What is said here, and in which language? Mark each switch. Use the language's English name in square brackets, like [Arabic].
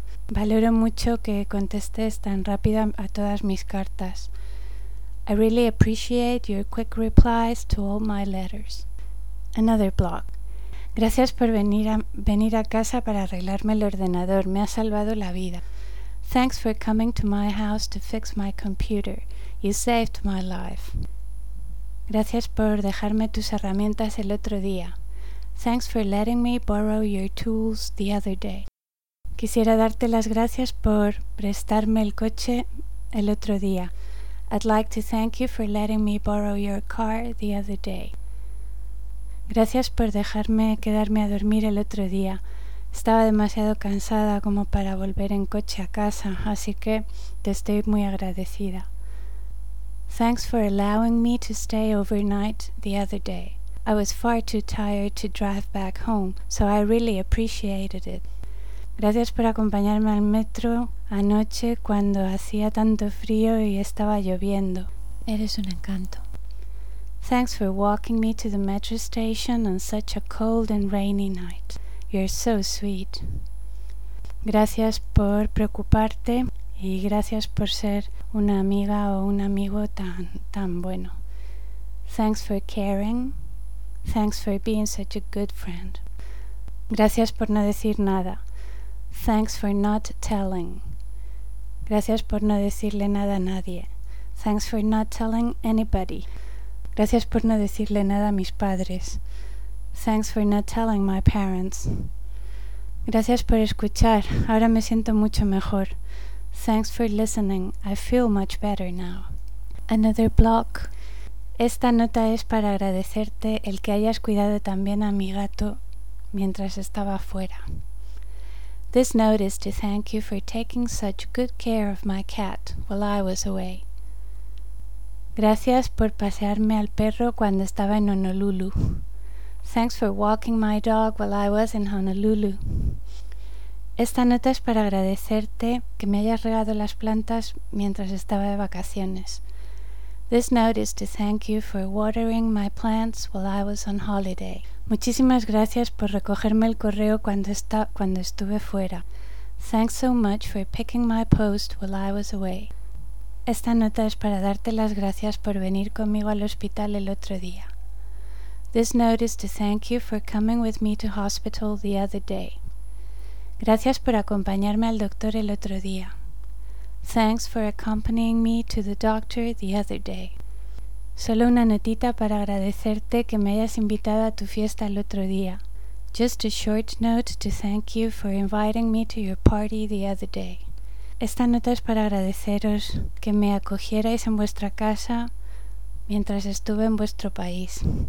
[Spanish] Valoro mucho que contestes tan rápido a todas mis cartas. [English] I really appreciate your quick replies to all my letters. Another block. [Spanish] Gracias por venir a casa para arreglarme el ordenador. Me ha salvado la vida. [English] Thanks for coming to my house to fix my computer. You saved my life. [Spanish] Gracias por dejarme tus herramientas el otro día. [English] Thanks for letting me borrow your tools the other day. [Spanish] Quisiera darte las gracias por prestarme el coche el otro día. [English] I'd like to thank you for letting me borrow your car the other day. [Spanish] Gracias por dejarme quedarme a dormir el otro día. Estaba demasiado cansada como para volver en coche a casa, así que te estoy muy agradecida. [English] Thanks for allowing me to stay overnight the other day. I was far too tired to drive back home, so I really appreciated it. [Spanish] Gracias por acompañarme al metro anoche cuando hacía tanto frío y estaba lloviendo. Eres un encanto. [English] Thanks for walking me to the metro station on such a cold and rainy night. You're so sweet. [Spanish] Gracias por preocuparte y gracias por ser una amiga o un amigo tan bueno. [English] Thanks for caring. Thanks for being such a good friend. [Spanish] Gracias por no decir nada. [English] Thanks for not telling. [Spanish] Gracias por no decirle nada a nadie. [English] Thanks for not telling anybody. [Spanish] Gracias por no decirle nada a mis padres. [English] Thanks for not telling my parents. [Spanish] Gracias por escuchar. Ahora me siento mucho mejor. [English] Thanks for listening. I feel much better now. Another block. [Spanish] Esta nota es para agradecerte el que hayas cuidado también a mi gato mientras estaba fuera. [English] This note is to thank you for taking such good care of my cat while I was away. [Spanish] Gracias por pasearme al perro cuando estaba en Honolulu. [English] Thanks for walking my dog while I was in Honolulu. [Spanish] Esta nota es para agradecerte que me hayas regado las plantas mientras estaba de vacaciones. [English] This note is to thank you for watering my plants while I was on holiday. [Spanish] Muchísimas gracias por recogerme el correo cuando estuve fuera. [English] Thanks so much for picking my post while I was away. [Spanish] Esta nota es para darte las gracias por venir conmigo al hospital el otro día. [English] This note is to thank you for coming with me to hospital the other day. [Spanish] Gracias por acompañarme al doctor el otro día. [English] Thanks for accompanying me to the doctor the other day. [Spanish] Solo una notita para agradecerte que me hayas invitado a tu fiesta el otro día. [English] Just a short note to thank you for inviting me to your party the other day. [Spanish] Esta nota es para agradeceros que me acogierais en vuestra casa mientras estuve en vuestro país.